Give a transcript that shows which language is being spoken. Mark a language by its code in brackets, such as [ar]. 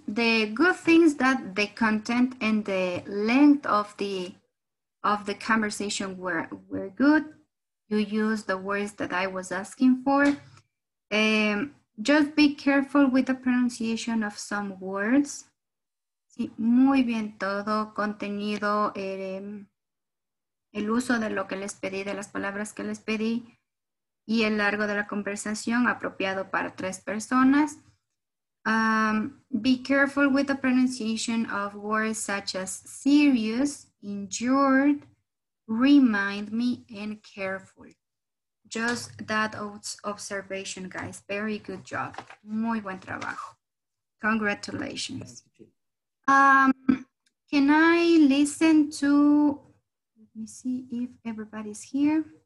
[en] The good things that the content and the length of the conversation were good. You use the words that I was asking for. Just be careful with the pronunciation of some words. [es] Sí, muy bien todo contenido, el uso de lo que les pedí, de las palabras que les pedí y el largo de la conversación apropiado para tres personas. [en] Be careful with the pronunciation of words such as serious, injured, remind me and careful. Just that observation, guys. Very good job. [es] Muy buen trabajo. [en] Congratulations. Can I listen to, let me see if everybody's here.